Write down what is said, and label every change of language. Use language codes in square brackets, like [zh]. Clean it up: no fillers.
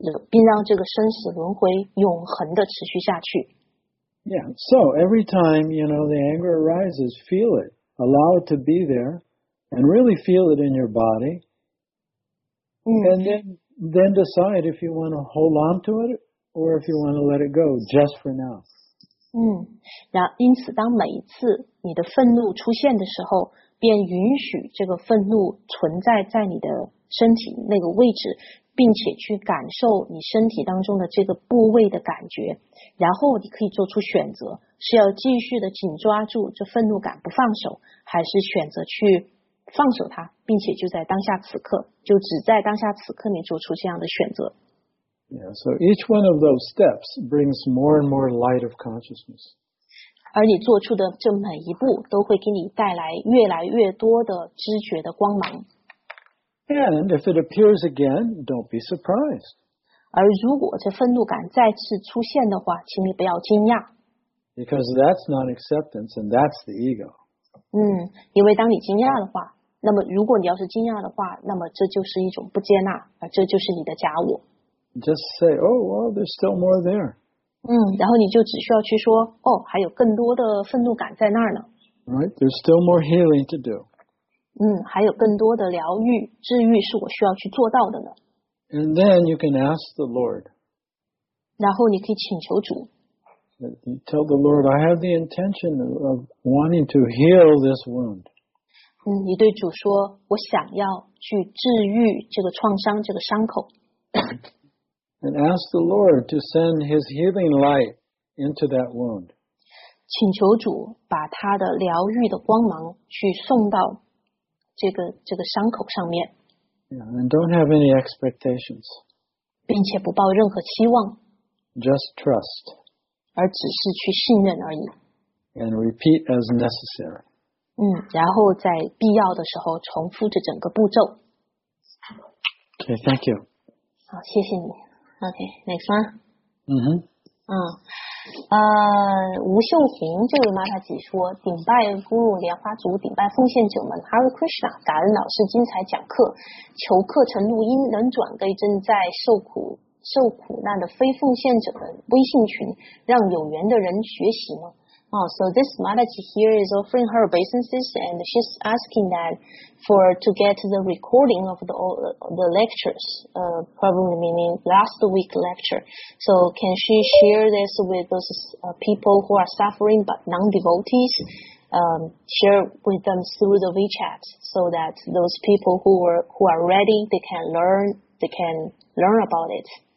[zh] 并让这个生死轮回永恒的持续下去。 [en] Yeah, so every time, you know, the anger arises, feel it. Allow it to be there. And really feel it in your body. And then decide if you want to hold on to it or if you want to let it go just for now. [zh] 因此当每一次你的愤怒出现的时候便允许这个愤怒存在在你的身体那个位置并且去感受你身体当中的这个部位的感觉然后你可以做出选择是要继续的紧抓住这愤怒感不放手还是选择去放手它，并且就在当下此刻，就只在当下此刻里做出这样的选择。 [en] Yeah, so each one of those steps brings more and more light of consciousness. [zh] 而你做出的这每一步，都会给你带来越多的知觉的光芒。 [en] And if it appears again, don't be surprised. [zh] 而如果这愤怒感再次出现的话，请你不要惊讶。 [en] Because that's not acceptance, and that's the ego. [zh] 因为当你惊讶的话那么如果你要是惊讶的话那么这就是一种不接纳而这就是你的假我 [en] Just say, oh, well, there's still more there. [zh] 然后你就只需要去说哦，还有更多的愤怒感在那儿呢 [en] Right, there's still more healing to do. [zh] 还有更多的疗愈治愈是我需要去做到的呢 [en] And then you can ask the Lord. [zh] 然后你可以请求主 [en] You tell the Lord, I have the intention of wanting to heal this wound. [zh] 你对主说，我想要去治愈这个创伤，这个伤口。 [en] And ask the Lord to send His healing light into that wound. [zh] 请求主把他的疗愈的光芒去送到这个伤口上面。 [en] Yeah, and don't have any expectations. [zh] 并且不抱任何期望。 [en] Just trust. [zh] 而只是去信任而已。 [en] And repeat as necessary. [zh] 然后在必要的时候重复着整个步骤。 [en] Okay, thank you. [zh] 好，谢谢你。 [en] Okay, next one. [zh] 吴秀红这位妈妈姐说，顶拜咕噜莲花族，顶拜奉献九门 ，Hare Krishna， 感恩老师精彩讲课，求课程录音能转给正在受苦难的非奉献者的微信群让有缘的人学习吗 [en] Oh, so this Madhachi here is offering her obeisances, and she's asking that for to get the recording of the lectures, probably meaning last week lecture. So can she share this with those people who are suffering but non-devotees, share with them through the WeChat so that those people who are ready, they can learn about it.